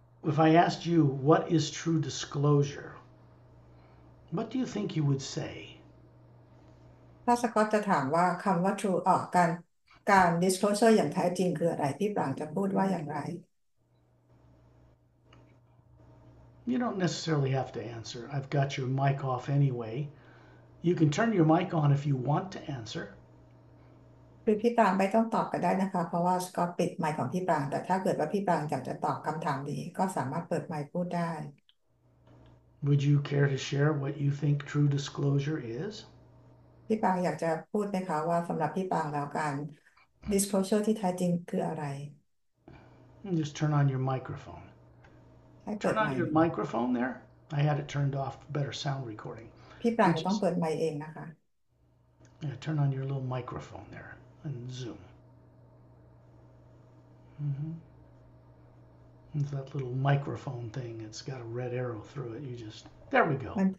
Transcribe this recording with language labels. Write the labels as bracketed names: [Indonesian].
[English] If I asked you, what is true disclosure? What do you think you would say? [Thai] ถ้าสก็อตจะถามว่าคำว่า true ออกการ disclosure อย่างแท้จริงคืออะไรพี่ปรางจะพูดว่าอย่างไร [English] You don't necessarily have to answer. I've got your mic off anyway. You can turn your mic on if you want to answer. [Thai] หรือพี่ปรางไม่ต้องตอบก็ได้นะคะเพราะว่าสก็อตปิดไมค์ของพี่ปรางแต่ถ้าเกิดว่าพี่ปรางอยากจะตอบคำถามนี้ก็สามารถเปิดไมค์พูดได้ [English] Would you care to share what you think true disclosure is? [Thai] พี่ปางอยากจะพูดไหมคะว่าสำหรับพี่ปางแล้วการ disclosure ที่แท้จริงคืออะไร [English] Just turn on your microphone. [Thai] ให้เปิ [English] Turn [Thai] ด [English] on [Thai] ไมค์ [English] your microphone there. I had it turned off for better sound recording. [Thai] พี่ปางต้องเปิดไมค์เองนะคะ [English] Yeah, turn on your little microphone there and zoom. It's that little microphone thing. It's got a red arrow through it. You just, there we go.